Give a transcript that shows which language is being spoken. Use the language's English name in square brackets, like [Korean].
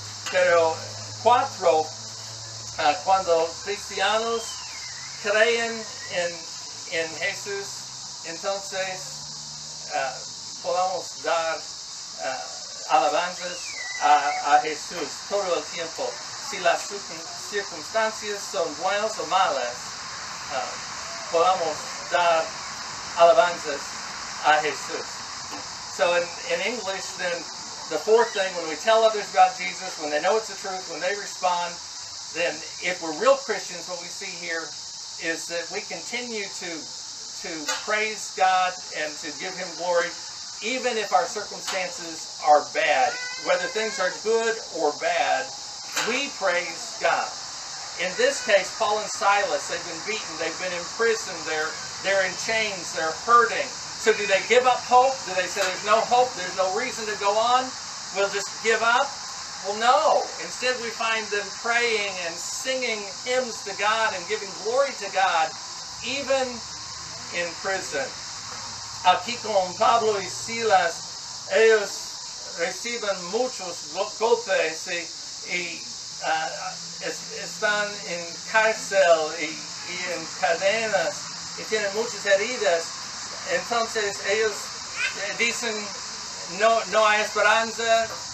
[Spanish] Pero cuatro, cuando cristianos creen en Jesús, entonces podamos dar alabanzas a Jesús todo el tiempo. Si las circunstancias son buenas o malas, podamos dar alabanzas a Jesús. [English] So in English, then the fourth thing, when we tell others about Jesus, when they know it's the truth, when they respond, then if we're real Christians, what we see here is that we continue to praise God and to give Him glory, even if our circumstances are bad. Whether things are good or bad, we praise God. In this case, Paul and Silas, they've been beaten, they've been imprisoned, they're in chains, they're hurting. So do they give up hope? Do they say there's no hope, there's no reason to go on, we'll just give up? Well, no. Instead, we find them praying and singing hymns to God and giving glory to God, even in prison. [Spanish] Aquí con Pablo y Silas, ellos reciben muchos golpes y están en cárcel y en cadenas y tienen muchas heridas. Entonces, ellos dicen, no hay esperanza.